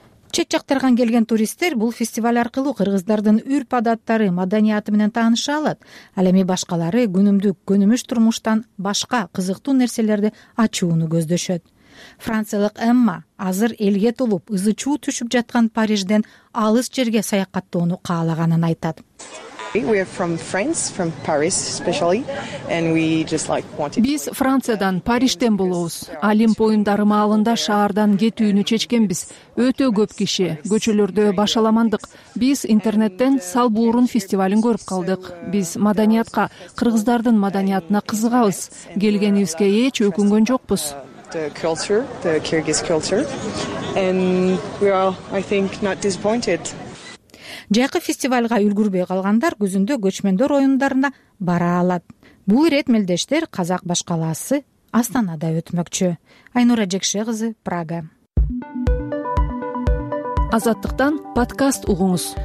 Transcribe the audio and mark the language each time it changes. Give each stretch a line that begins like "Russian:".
Kyrgyz: Чет жактардан келген туристтер бул фестиваль аркылуу кыргыздардын үрп-адаттары, маданияты менен тааныша алат. Ал эми башкалары күнүмдүк көнүмүш турмуштан башка кызыктуу нерселерди ачууну көздөшөт. Франциялык Эмма азыр элге толуп, ызы чуу түшүп жаткан Парижден алыс жерге саякаттоону каалаганын айтат.
English: We are from France, from Paris especially, and we just like wanted to...
Kyrgyz: Биз Франциядан, Париждан болобуз. Олимп оюндары маалында шаардан кетүүнү чечкенбиз. Өтө көп киши, көчөлөрдө башаламандык. Биз интернеттен Салбурун фестивалын көрүп калдык. Биз маданиятка, кыргыздардын маданиятына кызыгабыз. Келгенибизге эч өкүнгөн жокпуз.
English: The culture, the Kyrgyz culture, and we are, I think, not disappointed.
Kyrgyz: Жайкы фестивалга үлгүрбөй калгандар күзүндө көчмөндөр оюндарына бара алат. Бул ирет мелдештер казак башкаласы Астанада өтмөкчү. Айнура Жекше кызы, Прага. Азаттыктан подкаст угуңуз.